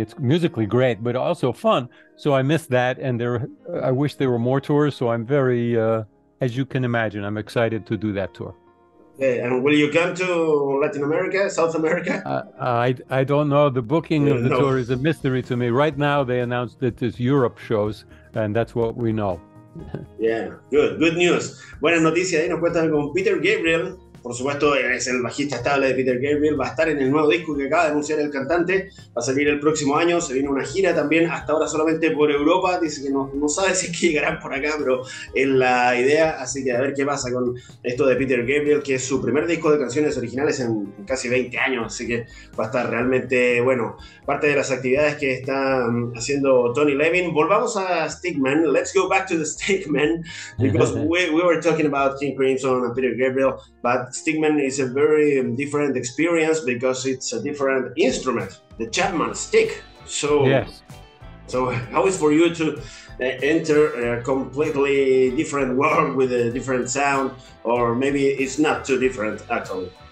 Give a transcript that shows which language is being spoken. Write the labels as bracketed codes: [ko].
[en] It's musically great, but also fun. So I miss that. And I wish there were more tours. So I'm very, as you can imagine, I'm excited to do that tour. Okay. And will you come to Latin America, South America? I don't know. The booking of the tour is a mystery to me. Right now, they announced that there's Europe shows. And that's what we know. Yeah, good news. [es] Buenas noticias, ahí nos cuentan con Peter Gabriel. Por supuesto, es el bajista estable de Peter Gabriel. Va a estar en el nuevo disco que acaba de anunciar el cantante. Va a salir el próximo año. Se viene una gira también, hasta ahora solamente por Europa. Dice que no sabe si es que llegarán por acá, pero es la idea. Así que a ver qué pasa con esto de Peter Gabriel, que es su primer disco de canciones originales en casi 20 años. Así que va a estar realmente bueno. Parte de las actividades que está haciendo Tony Levin. Volvamos a Stickman. [en] Let's go back to the Stickman. Because we were talking about King Crimson and Peter Gabriel, but Stickman is a very different experience because it's a different instrument, the Chapman stick. So, yes. So how is for you to enter a completely different world with a different sound, or maybe it's not too different at all?